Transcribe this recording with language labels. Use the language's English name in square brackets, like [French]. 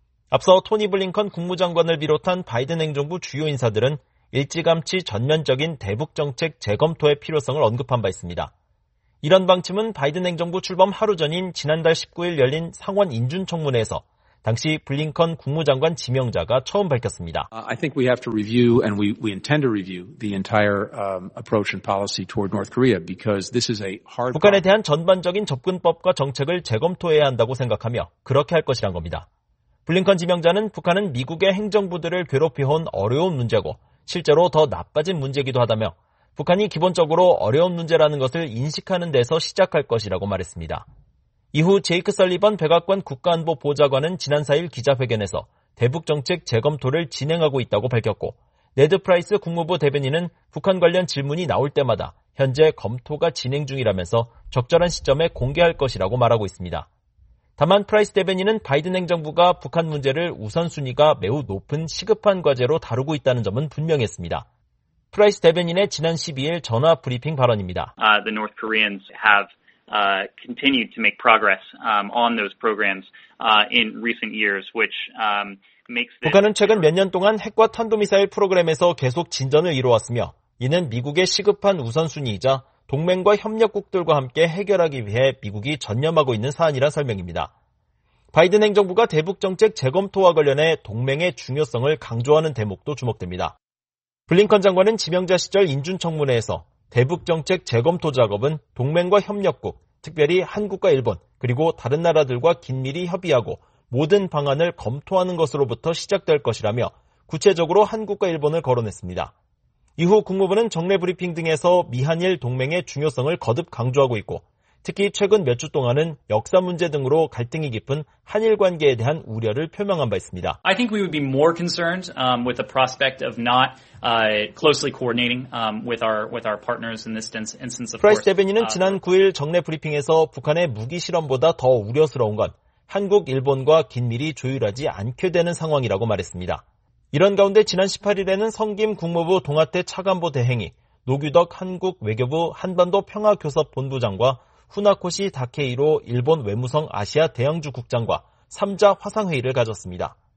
[Korean] 앞서 토니 블링컨 국무장관을 비롯한 바이든 행정부 주요 인사들은 일찌감치 전면적인 대북정책 재검토의 필요성을 언급한 바 있습니다. 이런 방침은 바이든 행정부 출범 하루 전인 지난달 19일 열린 상원 인준청문회에서 당시 블링컨 국무장관 지명자가 처음 밝혔습니다. [English] I think we have to review and we intend to review the entire approach and policy toward North Korea because this is a hard [Korean] 북한에 대한 전반적인 접근법과 정책을 재검토해야 한다고 생각하며 그렇게 할 것이란 겁니다. 블링컨 지명자는 북한은 미국의 행정부들을 괴롭혀온 어려운 문제고 실제로 더 나빠진 문제이기도 하다며 북한이 기본적으로 어려운 문제라는 것을 인식하는 데서 시작할 것이라고 말했습니다. 이후 제이크 설리번 백악관 국가안보보좌관은 지난 4일 기자회견에서 대북정책 재검토를 진행하고 있다고 밝혔고 네드 프라이스 국무부 대변인은 북한 관련 질문이 나올 때마다 현재 검토가 진행 중이라면서 적절한 시점에 공개할 것이라고 말하고 있습니다. 다만 프라이스 대변인은 바이든 행정부가 북한 문제를 우선순위가 매우 높은 시급한 과제로 다루고 있다는 점은 분명했습니다. 프라이스 대변인의 지난 12일 전화 브리핑 발언입니다. [English] The North Koreans have continued to make progress on those programs in recent years, which makes [Korean] 북한은 최근 몇 년 동안 핵과 탄도미사일 프로그램에서 계속 진전을 이루었으며 이는 미국의 시급한 우선순위이자 동맹과 협력국들과 함께 해결하기 위해 미국이 전념하고 있는 사안이란 설명입니다. 바이든 행정부가 대북정책 재검토와 관련해 동맹의 중요성을 강조하는 대목도 주목됩니다. 블링컨 장관은 지명자 시절 인준청문회에서 대북정책 재검토 작업은 동맹과 협력국, 특별히 한국과 일본, 그리고 다른 나라들과 긴밀히 협의하고 모든 방안을 검토하는 것으로부터 시작될 것이라며 구체적으로 한국과 일본을 거론했습니다. 이후 국무부는 정례 브리핑 등에서 미한일 동맹의 중요성을 거듭 강조하고 있고 특히 최근 몇 주 동안은 역사 문제 등으로 갈등이 깊은 한일 관계에 대한 우려를 표명한 바 있습니다. [English] I think we would be more concerned with the prospect of not closely coordinating with our partners in this instance of course. [Korean] 프라이스 대변인은 지난 9일 정례 브리핑에서 북한의 무기 실험보다 더 우려스러운 건 한국, 일본과 긴밀히 조율하지 않게 되는 상황이라고 말했습니다. 이런 가운데 지난 18일에는 성김 국무부 동아태 차관보 대행이 노규덕 한국 외교부 한반도 평화교섭 본부장과 후나코시 다케이로 일본 외무성 아시아 대양주 국장과 3자 화상회의를 가졌습니다.